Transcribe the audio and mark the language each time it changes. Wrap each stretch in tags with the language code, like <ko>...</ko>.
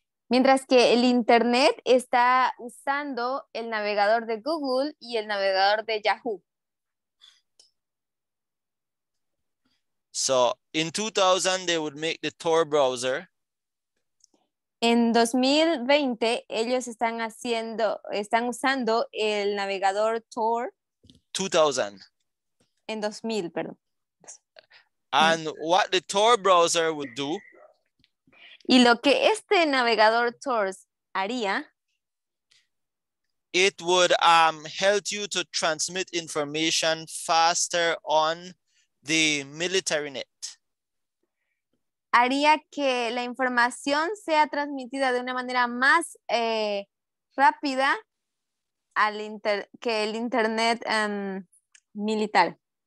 <es>Mientras que el internet está usando el navegador de Google y el navegador de Yahoo.</es> <en>So, in 2000, they would make the Tor browser.</en> <es>En 2020, ellos están haciendo, están usando el navegador Tor.</es> <en>2000.</en> <es>En 2000, perdón.</es> <en>And what the Tor browser would do.</en> <es>Y lo que este navegador Tor haría.</es> <en>It would help you to transmit information faster on the military net.</en> <es>Haría que la información sea transmitida de una manera más rápida al que el internet militar.</es>